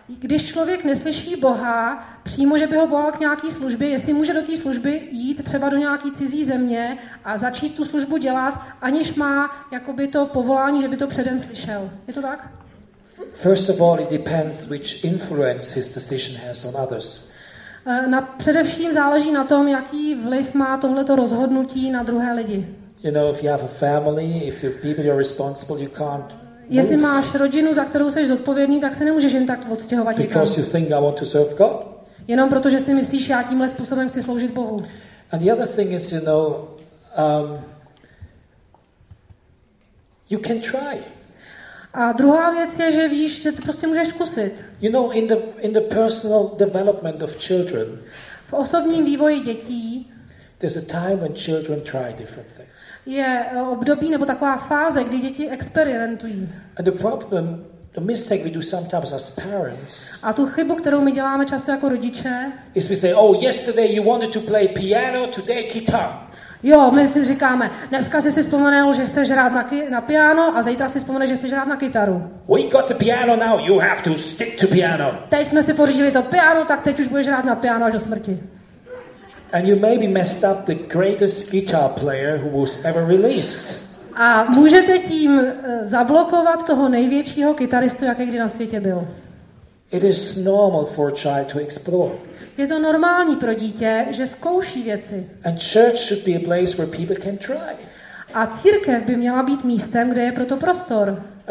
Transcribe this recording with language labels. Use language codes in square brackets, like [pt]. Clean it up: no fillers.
[cs] Když člověk neslyší Boha přímo, že by ho volal k nějaký službě, jestli může do té služby jít třeba do nějaký cizí země a začít tu službu dělat, aniž má jakoby to povolání, že by to předem slyšel. Je to tak? [en] First of all, it depends which influence his decision has on others. [cs] Především záleží na tom, jaký vliv má tohleto rozhodnutí na druhé lidi. [en] You know, if you have a family, if you have people you're responsible, you can't move. [cs] Jestli máš rodinu, za kterou jsi zodpovědný, tak se nemůžeš jen tak odstěhovat někam. [en] Because you think I want to serve God. [cs] Jenom proto, že si myslíš, já tímhle způsobem chci sloužit Bohu. [en] And the other thing is, you know, you can try. [cs] A druhá věc je, že víš, že to prostě můžeš zkusit. [en] You know, in the personal development of children. [cs] V osobním vývoji dětí. [en] There's a time when children try different things. [cs] Je období nebo taková fáze, kdy děti experimentují. [en] And the problem, the mistake we do sometimes as parents. [cs] A tu chybu, kterou my děláme často jako rodiče. [en] Is we say, oh, yesterday you wanted to play piano, today guitar. [cs] Jo, my si říkáme, dneska jsi si vzpomenul, že chceš hrát na piano a zítra si vzpomenul, že chceš hrát na kytaru. [en] We got the piano now, you have to stick to piano. [cs] Teď jsme si pořídili to piano, tak teď už budeš hrát na piano až do smrti. [en] And you maybe messed up the greatest guitar player who was ever released. [cs] A můžete tím zablokovat toho největšího kytaristu, jaký kdy na světě byl. [en] It is normal for a child to explore. [cs] Je to normální pro dítě, že zkouší věci. [en] And church should be a place where people can try. [cs] A církev by měla být místem, kde je proto prostor.